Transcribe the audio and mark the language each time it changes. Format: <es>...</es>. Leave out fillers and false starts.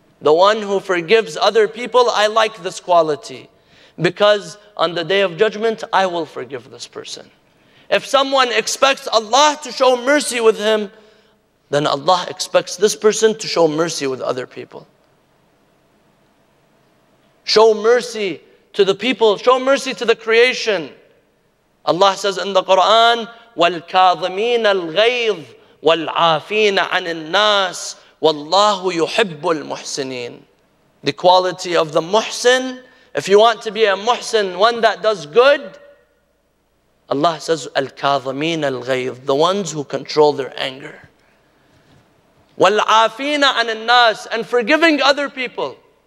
<en>The one who forgives other people, I like this quality. Because on the day of judgment, I will forgive this person. If someone expects Allah to show mercy with him, then Allah expects this person to show mercy with other people. Show mercy to the people. Show mercy to the creation. Allah says in the Quran,</en> <ar>وَالْكَاظِمِينَ الْغَيْظِ وَالْعَافِينَ عَنِ النَّاسِ وَاللَّهُ يُحِبُّ الْمُحْسِنِينَ.</ar> <en>The quality of the muhsin. If you want to be a muhsin, one that does good, Allah says,</en> <ar>الْكَاظِمِينَ الْغَيْظِ,</ar> <en>the ones who control their anger.</en> <ar>وَالْعَافِينَ عَنِ النَّاسِ,</ar> <en>and forgiving other people.</en>